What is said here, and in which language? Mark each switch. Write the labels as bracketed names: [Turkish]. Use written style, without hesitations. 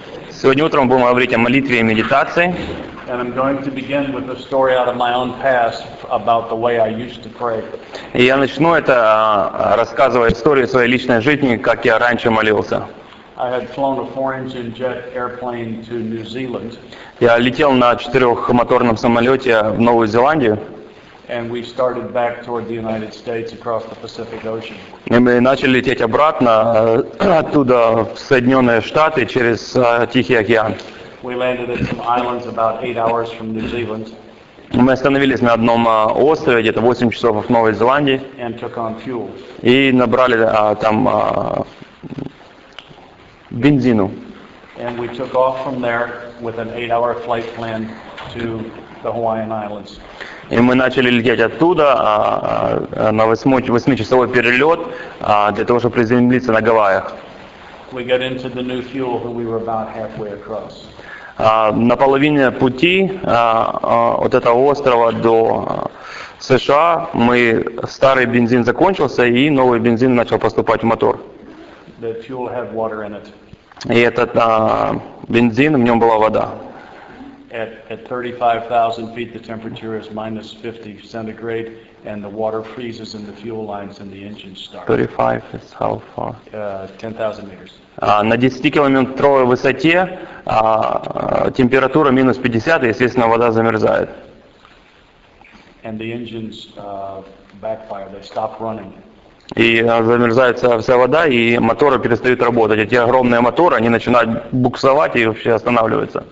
[Russian] Сегодня утром будем говорить о молитве и медитации. [English] And I'm going to begin with a story out of my own past about the way I used to pray. [Russian] И я начну это рассказывая историю своей личной жизни, как я раньше молился. [English] I had flown a 4-engine jet airplane to New Zealand. [Russian] Я летел на 4-моторном самолете в Новую Зеландию. [English] And we started back toward the United States across the Pacific Ocean. [Russian] И мы начали лететь обратно оттуда в Соединенные Штаты через Тихий океан. [English] We landed at some islands about 8 hours from New Zealand. [Russian] Мы остановились на одном острове где-то 8 часов от Новой Зеландии. [English] And took on fuel. [Russian] И набрали там бензину. [English] And we took off from there with an 8-hour flight plan to the Hawaiian Islands. [Russian] И мы начали лететь оттуда на 8-часовой перелет для того, чтобы приземлиться на Гавайях. [English] We got into the new fuel and we were about halfway across. [Russian] На половине пути от этого острова до США мы старый бензин закончился и новый бензин начал поступать в мотор. [English] The fuel had water in it. [Russian] И этот бензин, в нем была вода. [English] At 35,000 feet, the temperature is minus 50 centigrade, and the water freezes in the fuel lines, and the engine starts. 35 is how far? 10,000 meters. [Russian] На 10-километровой высоте температура минус 50, и, естественно, вода замерзает. [English] And the engines backfire; they stop running. [Russian] И замерзается вся вода, и моторы перестают работать. Эти огромные моторы, они начинают буксовать и вообще останавливаются.